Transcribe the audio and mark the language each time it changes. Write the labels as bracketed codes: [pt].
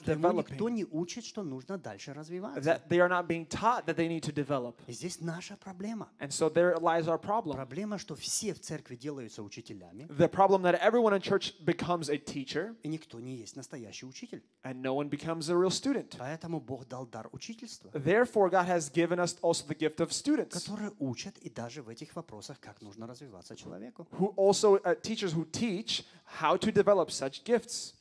[ru] Что ему никто не учит, что нужно дальше развиваться. [en] That they are not being taught that they need to develop. [ru] И здесь наша проблема. [en] And so there lies our problem. [ru] Проблема, что все в церкви делаются учителями. [en] The problem that everyone in church becomes a teacher. [ru] И никто не есть настоящий учитель. [en] And no one becomes a real student. [ru] Поэтому Бог дал дар учительства. [en] Therefore, God has given us also the gift of students, [ru] которые учат и даже в этих вопросах, как нужно развиваться человеку. [en] Who also teachers who teach how to develop such gifts.